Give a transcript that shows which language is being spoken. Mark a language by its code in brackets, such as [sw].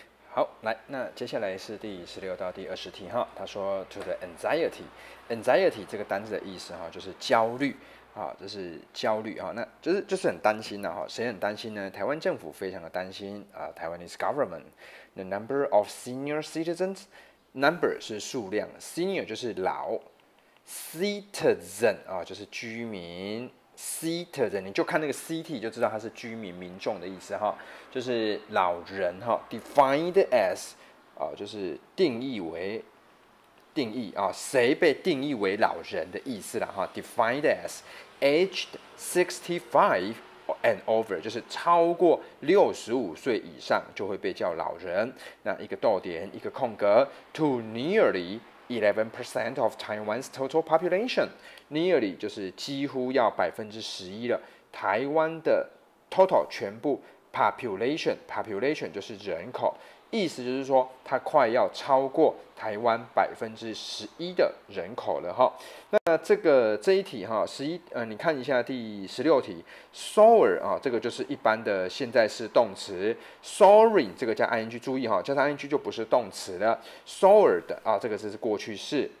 [zh] 好，来，那接下来是第十六到第二十题哈。他说 ， [en] to the anxiety， anxiety [zh] 这个单字的意思哈，就是焦虑啊，这是焦虑啊，那就是很担心的哈。谁很担心呢？台湾政府非常的担心啊。 [en] Taiwanese government， the number of senior citizens， [zh] number 是数量 ，senior 就是老 ，citizen 啊就是居民。 Citizen， 你就看那个 city 就知道它是居民、民众的意思哈，就是老人哈。 [en] Defined as， [zh] 就是定义为定义啊，谁被定义为老人的意思啦哈。 [en] Defined as aged 65 and over， [zh] 就是超过65岁以上就会被叫老人。那一个逗点，一个空格 ， [en] to nearly 11% of Taiwan's total population。 [zh] Nearly 就是几乎要11%了。台湾的 total 全部 population 就是人口，意思就是说它快要超过台湾11%的人口了哈。那这一题哈，你看一下第16题 ，sore 啊，这个就是一般的现在式动词 ，sorry 这个加 ing， 注意哈，加上 ing 就不是动词了 ，sore 的啊，这个字是过去式。